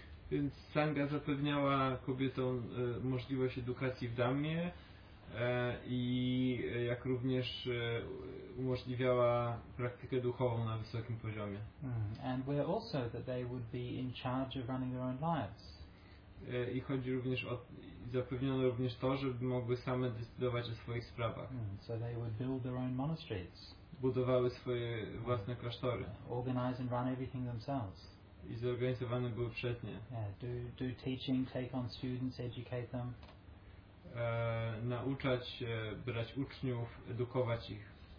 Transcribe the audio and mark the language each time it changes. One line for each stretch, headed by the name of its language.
Polish: Więc Sangha zapewniała kobietom możliwość edukacji w Dhammie, i jak również umożliwiała praktykę duchową na wysokim poziomie.
English: And where also that they would be in charge of running their own lives.
Polish: I chodzi również o, zapewniono również to, żeby mogły same decydować o swoich sprawach.
English: So they would build their own monasteries.
Polish: Budowały swoje własne klasztory.
English: Organize and run everything themselves.
Polish: I zorganizowane były przednie.
English: Yeah, do teaching, take on students, educate them.
Polish: Nauczać, brać uczniów, edukować ich.